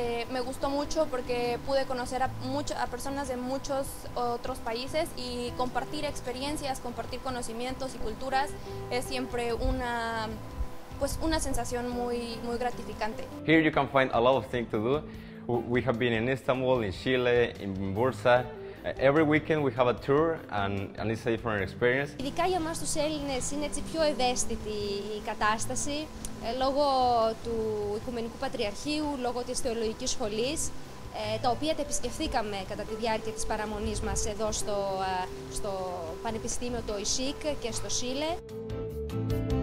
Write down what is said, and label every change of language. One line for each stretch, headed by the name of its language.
Spanish: Me gustó mucho porque pude conocer a personas de muchos otros países y compartir experiencias, compartir conocimientos y culturas es siempre una sensación muy, muy gratificante.
English: Here you can find a lot of things to do. We have been in Istanbul, in Chile, in Bursa. Every weekend we have a tour and it's a different experience.
Greek: Ειδικά για εμάς τους Έλληνες είναι έτσι πιο ευαίσθητη η κατάσταση λόγω του Οικουμενικού Πατριαρχείου, λόγω της Θεολογικής Σχολής, τα οποία τα επισκεφθήκαμε κατά τη διάρκεια της παραμονής μας εδώ στο Πανεπιστήμιο το Işık και στο Σίλε.